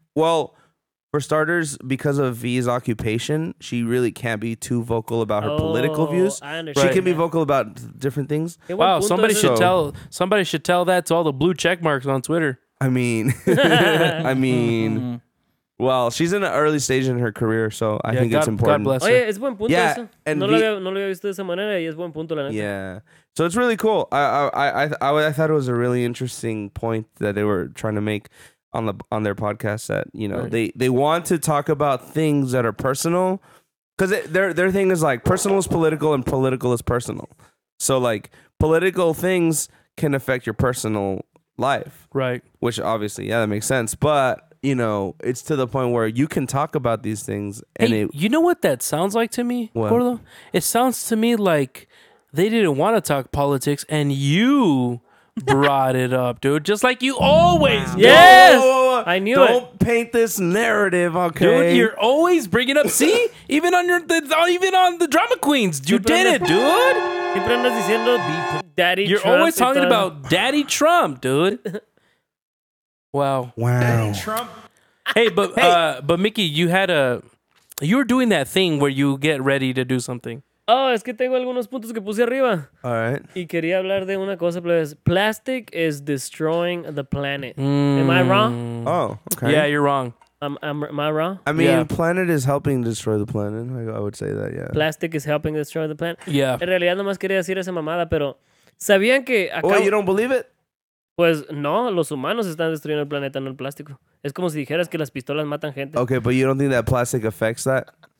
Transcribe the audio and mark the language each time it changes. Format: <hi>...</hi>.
<en>Well, for starters, because of V's occupation, she really can't be too vocal about her political views. I understand. She can be vocal about different things. Wow, somebody should tell that to all the blue check marks on Twitter. I mean, well, she's in an early stage in her career, so I think it's important. God bless her.</en> <es>Oye, es buen punto. Yeah, no lo había visto de esa manera, y es buen punto, la neta.</es> <en>Yeah. So it's really cool. I thought it was a really interesting point that they were trying to make on their podcast that, you know, right. they want to talk about things that are personal, because their thing is like personal is political and political is personal. So like political things can affect your personal life. Right. Which obviously, yeah, that makes sense. But, you know, it's to the point where you can talk about these things. And hey, it, you know what that sounds like to me, Gordo? It sounds to me like they didn't want to talk politics, and you brought it up, dude. Just like you always do. Yes! I knew don't Don't paint this narrative, okay? Dude, you're always bringing up... See? Even on the Drama Queens. You did it, dude.</en> <es>Siempre andas diciendo Daddy Trump.</es> <en>You're always talking about Daddy Trump, dude. Wow. Daddy Trump. Hey, but Mickey, you had a... You were doing that thing where you get ready to do something.</en> <es>Oh, es que tengo algunos puntos que puse arriba.</es> <en>All right.</en> <es>Y quería hablar de una cosa, pues.</es> <en>Plastic is destroying the planet. Am I wrong? Oh, okay. Yeah, you're wrong. Am I wrong? I mean, yeah. Planet is helping destroy the planet. I would say that, yeah. Plastic is helping destroy the planet. Yeah.</en> <es>En realidad, nomás quería decir esa mamada, pero... ¿Sabían que acá...</es> <en>Well, you don't believe it?</en> <es>Pues no, los humanos están destruyendo el planeta, no el plástico. Es como si dijeras que las pistolas matan gente.</es> <en>Okay, but you don't think that plastic affects that?</en>